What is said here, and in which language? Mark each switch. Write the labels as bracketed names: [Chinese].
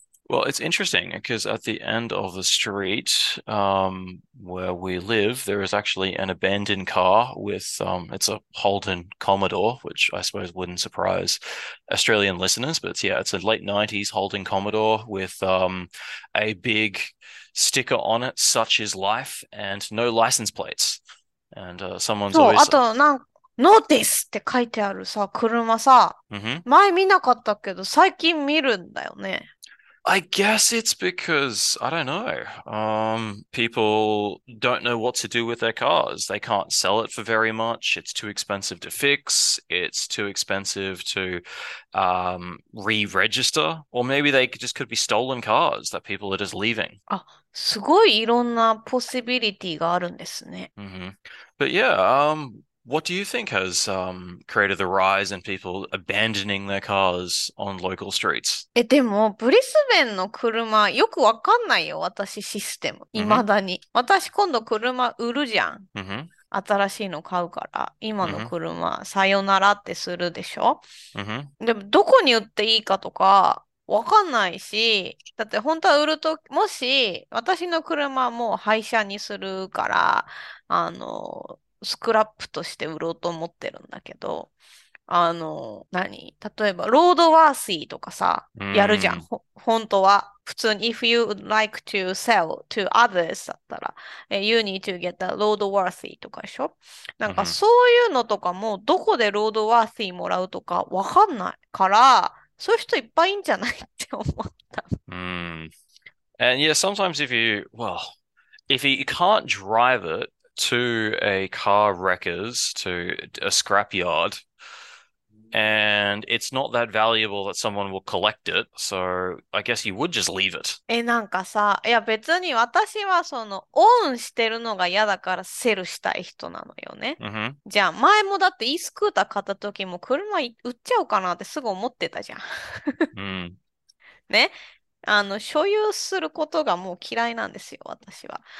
[English] Well, it's interesting because at the end of the street, where we live, there is actually an abandoned car with it's a Holden Commodore, which I suppose wouldn't surprise Australian listeners, but yeah, it's a late 90s Holden Commodore with a big sticker on it, such is life, and no license plates. And someone's [Japanese] そう、あ [English] always. [Japanese] と、ノーティスって書いてあるさ、車さ。前見なかったけど、最近見るんだよね。 [English] I guess it's because, I don't know, people don't know what to do with their cars. They can't sell it for very much. It's too expensive to fix. It's too expensive to re-register. Or maybe they just could be stolen cars that people are just leaving. [Japanese] あ、すごいいろんなポシビリティがあるんですね。 [English] But yeah, what do you think has created the rise in people abandoning their cars on local streets? [Japanese] え、でも、ブリスベンの車、よくわかんないよ。私、システム。未だに。私、今度、車売るじゃん。新しいの買うから。今の車、さよならってするでしょ？でも、どこに売っていいかとか、わかんないし、だって、本当は売ると、もし、私の車、もう、廃車にするから、スクラップとして売ろうと思ってるんだけど、何？例えば、ロードワーシーとかさ、やるじゃん。本当は。普通に、 [English] if you like to sell to others [Japanese] だったら、 [English] you need to get a road worthy [Japanese] とかでしょ？なんかそういうのとかも、どこでロードワーシーもらうとかわかんないから、そういう人いっぱいいんじゃない？って思った。 [English] And yeah, sometimes if you can't drive it to a car wrecker's, to a scrap yard, and it's not that valuable that someone will collect it, so I guess you would just leave it. [Japanese] え、なんかさ、いや別に私はそのオンしてるのが嫌だからセルしたい人なのよね。じゃあ前もだってイースクーター買った時も車売っちゃおうかなってすぐ思ってたじゃん。ね。所有することがもう嫌いなんですよ、私は。